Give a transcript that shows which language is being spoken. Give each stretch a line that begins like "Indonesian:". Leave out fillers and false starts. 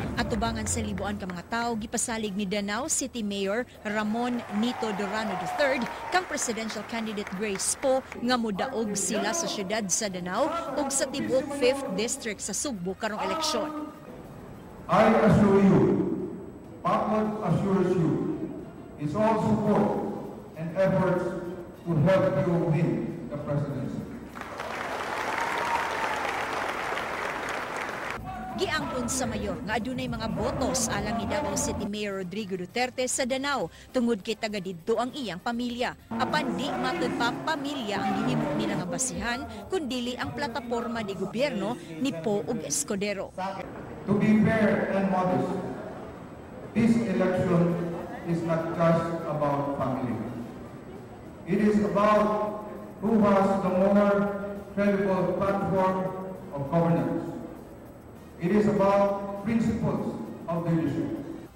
Cebuano: At tubangan sa libuan ka mga tao, gipasalig ni Danao City Mayor Ramon Nito Durano III kang presidential candidate Grace Po nga mudaog sila sa siyudad sa Danao ug sa tibuok 5th District sa Sugbo karong eleksyon.
English: I assure you, Bakod assures you, it's all support and efforts to help you win the presidency.
Cebuano: Giangkon sa mayor nga adunay mga botos alang ni Davao City Mayor Rodrigo Duterte sa Danao tungod kay taga didto ang iyang pamilya. Apan di matud pa pamilya ang gihimo nila nga basihan kundili ang plataporma ni gobyerno ni Po ug Escudero.
English: To be fair and modest, this election is not just about family. It is about who has the more credible platform of governance. It is about principles of leadership.